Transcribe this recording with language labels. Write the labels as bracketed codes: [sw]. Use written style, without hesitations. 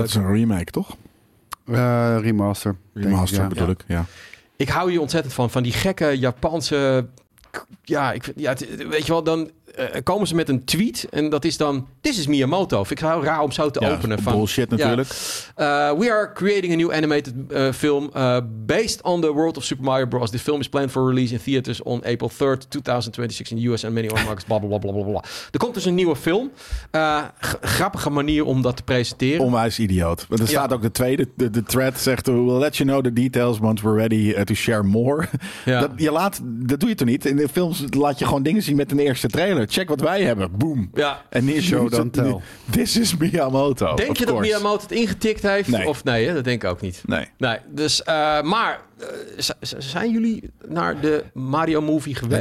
[nl] Dat is een remake, toch? Remaster. Remaster, bedoel ik, ja. Ik hou hier ontzettend van die gekke Japanse... weet je wel, dan komen ze met een tweet en dat is dan... [en] This is Miyamoto. [nl] Ik zou het raar om zo te openen. Van, bullshit natuurlijk. [en] Yeah. We are creating a new animated film based on the world of Super Mario Bros. This film is planned for release in theaters on April 3rd, 2026 in the US and many other markets. [nl] Blah, blah, blah, blah, blah. Er komt dus een nieuwe film. Grappige manier om dat te presenteren. Onwijs idioot. Er staat ook de tweede. De thread zegt, [en] we'll let you know the details once we're ready to share more. [nl] Ja. Dat doe je toch niet? In de films laat je gewoon dingen zien met een eerste trailer. Check wat wij hebben. Boom. Ja. En hier show. [en] This is Miyamoto. [nl] Denk je dat Miyamoto het ingetikt heeft? Nee. Of nee, dat denk ik ook niet. Nee. Dus, maar zijn jullie naar de Mario movie geweest?